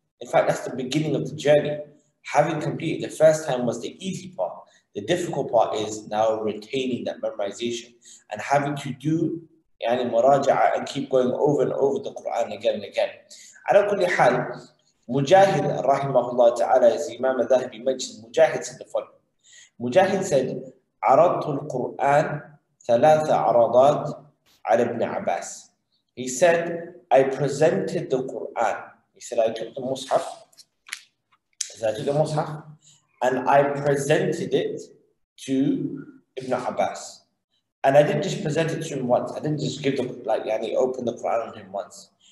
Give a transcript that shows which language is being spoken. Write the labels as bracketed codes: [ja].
[en] In fact, that's the beginning of the journey. Having completed the first time was the easy part. The difficult part is now retaining that memorization and having to do yani muraja'ah and keep going over and over the Quran again and again. Ala kulli hal, Mujahid, rahimahullah ta'ala, as Imam al-Dhahibi mentioned, Mujahid said the following. Mujahid said, [ar] عَرَضْتُ الْقُرْآنِ ثَلَاثَ عَرَضَاتِ عَلَى ابْنِ عَبَاسِ. [en] He said, I presented the Qur'an. He said, I took the Mus'haf. He said, I took the Mus'haf. And I presented it to Ibn Abbas. And I didn't just present it to him once. I didn't just give the, like, yani, open the Qur'an on him once.